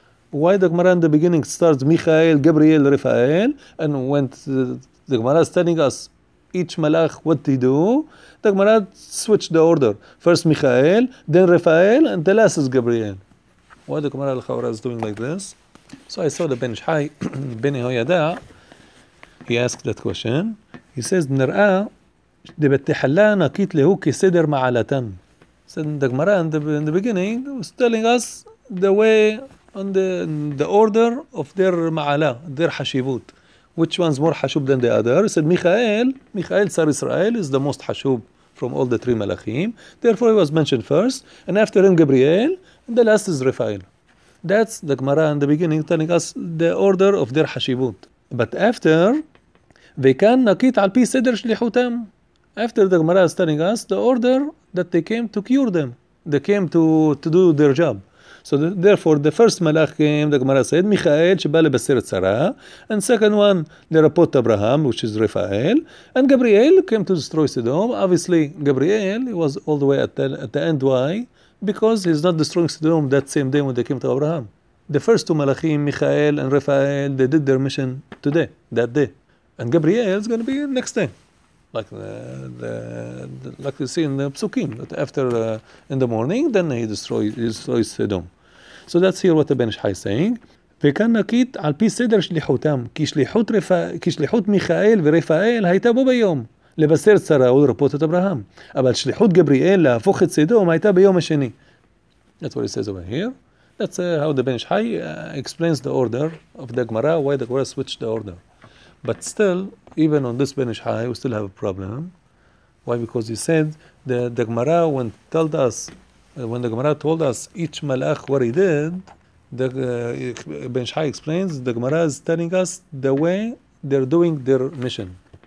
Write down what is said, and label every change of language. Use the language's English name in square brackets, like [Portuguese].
[English] Why the Gemara in the beginning starts Michael, Gabriel, Raphael, and when the Gemara is telling us each Malach what to do, the Gemara switched the order. First Michael, then Raphael, and the last is Gabriel. Why the Gemara al-Khawra is doing like this? So I saw the Ben Shai, Ben Hoyada, he asked that question. He says, [Hebrew] Nara, דבתחלה נקית להו כסדר מעלתם. [English] So the Gemara in the beginning was telling us the way and the order of their מעלה, their חשיבות. Which one's more חשוב than the other? He said, Michael, Tsar Israel, is the most חשוב from all the three מלאכים. Therefore he was mentioned first, and after him Gabriel, and the last is Raphael. That's the Gemara in the beginning telling us the order of their חשיבות. But after, [Hebrew] וכאן נקית על פי סדר שליחותם. [English] After the Gemara is telling us the order that they came to cure them. They came to do their job. So therefore, the first Malach came, the Gemara said, Michael, [Hebrew] sheba lebaser et Sarah. [English] And second one, [Hebrew] lerapot Abraham, [English] which is Raphael. And Gabriel came to destroy Sodom. Obviously, Gabriel was all the way at the end. Why? Because he's not destroying Sodom that same day when they came to Abraham. The first two Malachim, Michael and Raphael, they did their mission today, that day. And Gabriel is going to be next day. Like like you see in the Psukim, that after in the morning, then he destroys Sodom. So that's here what the Ben Shai is saying. [Hebrew] וכאן נקית על פי סדר שליחותם, כי שליחות מיכאל ורפאל הייתה בו ביום, לבשר צרה ולרפות את אברהם. אבל שליחות גבריאל להפוך את סדום הייתה ביום השני. [English] That's what he says over here. That's how the Ben Shai explains the order of the Gemara, why the Gemara switched the order. But still, even on this Ben Ish Chai, we still have a problem. Why? Because he said the Gemara when the Gemara told us each Malach what he did, Ben Ish Chai explains the Gemara is telling us the way they're doing their mission.